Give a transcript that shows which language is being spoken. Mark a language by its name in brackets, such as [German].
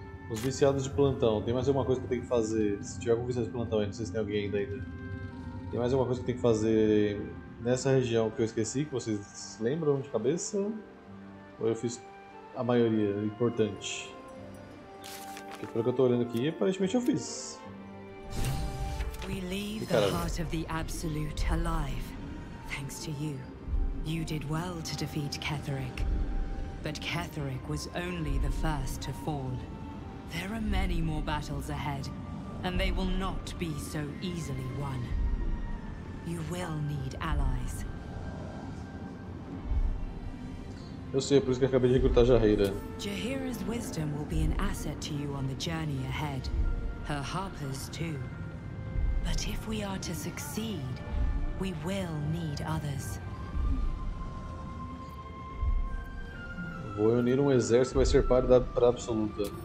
[Portuguese] Os viciados de plantão, tem mais alguma coisa que tem que fazer? Se tiver algum viciado de plantão aí, não sei se tem alguém ainda. Tem mais alguma coisa que tem que fazer nessa região que eu esqueci, que vocês lembram de cabeça? Ou eu fiz a maioria, importante. Porque pelo que eu tô olhando aqui, aparentemente eu fiz. [English] We leave the heart of the absolute alive, thanks to you. You did well to defeat Ketherick. But Ketherick was only the first to fall. There are many more battles ahead, and they will not be so easily won. You will need allies. [Portuguese] Eu sei, por isso que eu acabei de recrutar Jahira. [English] Jahira's wisdom will be an asset to you on the journey ahead. Her harpers too. But if we are to succeed, we will need others. [Portuguese] Vou reunir exército que vai ser páreo para absoluta.